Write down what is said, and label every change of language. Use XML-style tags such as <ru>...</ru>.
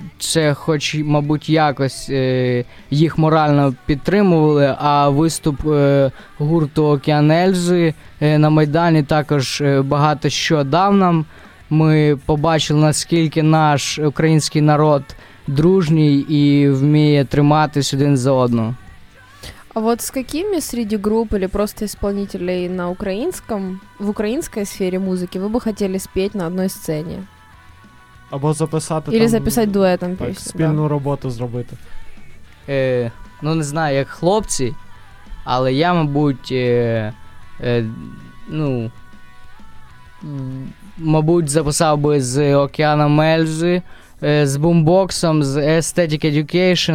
<uk>Це хоч, мабуть, якось їх морально підтримували, а виступ гурту «Океан Ельзи» на Майдані також багато що дав нам. Ми побачили, наскільки наш український народ дружній і вміє триматись один за одного.</uk> <ru>А вот с какими среди групп или просто исполнителей на украинском, в украинской сфере музыки вы бы хотели спеть на одной сцене?</ru> <uk>Або записати. Или там, записати дуетом пісню. Так, спільну да. роботу зробити. Ну, не знаю, як хлопці, але я, мабуть, ну, мабуть, записав би з Океаном Мельзи, з Бумбоксом, з Aesthetic Education.</uk>